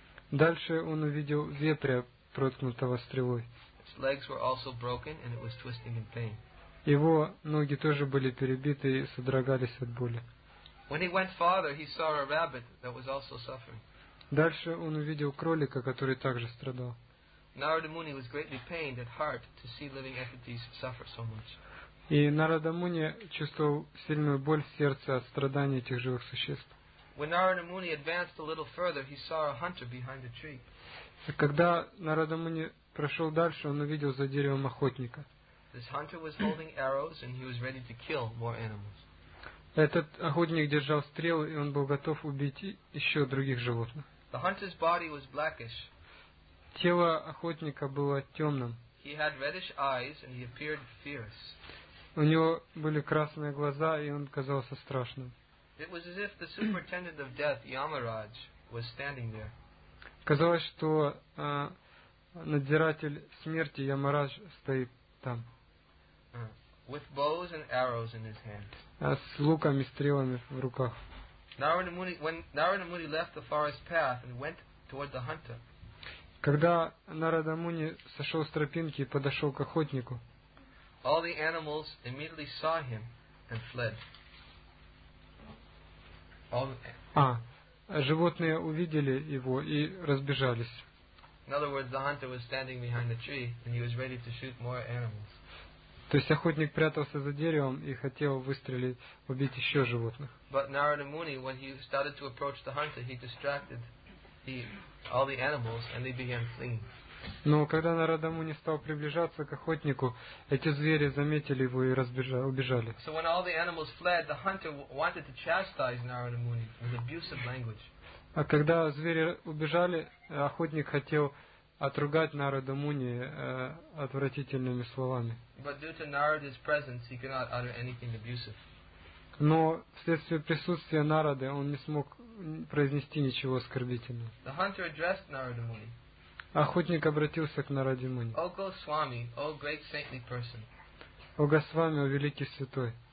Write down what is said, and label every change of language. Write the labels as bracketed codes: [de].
[ru] Дальше он увидел вепря, проткнутого стрелой. [en] Its legs were also broken, and it was twisting in pain. [ru] Его ноги тоже были перебиты и содрогались от боли. [en] When he went farther, he saw a rabbit that was also suffering. [ru] Дальше он увидел кролика, который также страдал. [en] Narada Muni was greatly pained at heart to see living entities suffer so much. [ru] И Нарада Муни чувствовал сильную боль в сердце от страданий этих живых существ. [en] When Narada Muni advanced a little further, he saw a hunter behind a tree. [ru] Когда Нарада Муни прошел дальше, он увидел за деревом охотника. [en] This hunter was holding arrows and he was ready to kill more animals. [ru] Этот охотник держал стрелы, и он был готов убить еще других животных. [en] The hunter's body was blackish. [ru] Тело охотника было темным. [en] He had reddish eyes and he appeared fierce. [ru] У него были красные глаза, и он казался страшным. [en] It was as if the superintendent of death, Yamaraj, was standing there. [ru] Казалось, что надзиратель смерти Ямарадж стоит там. [en] With bows and arrows in his hand. [ru] С луками, стрелами в руках. [en] Narada Muni left the forest path and went toward the hunter. [ru] Когда Нарада Муни сошел с тропинки и подошел к охотнику, [en] all the animals immediately saw him and fled. [ru] Животные увидели его и разбежались. [en] In other words, the hunter was standing behind the tree and he was ready to shoot more animals. [ru] То есть охотник прятался за деревом и хотел выстрелить, убить еще животных. [en] But Narada Muni, when he started to approach the hunter, he distracted all the animals and they began fleeing. [ru] Но когда Нарада Муни стал приближаться к охотнику, эти звери заметили его и убежали. [en] So when all the animals fled, the hunter wanted to chastise Narada Muni with abusive language. [ru] А когда звери убежали, охотник хотел отругать Нараду Муни отвратительными словами. [en] But due to Narada's presence, he cannot utter anything abusive. [ru] Но вследствие присутствия Нарады он не смог произнести ничего оскорбительного. [en] The hunter addressed Narada Muni. [ru] Охотник обратился к Нараде Муни. [en] O Goswami, O great saintly person. [ru] О Госвами, о великий святой.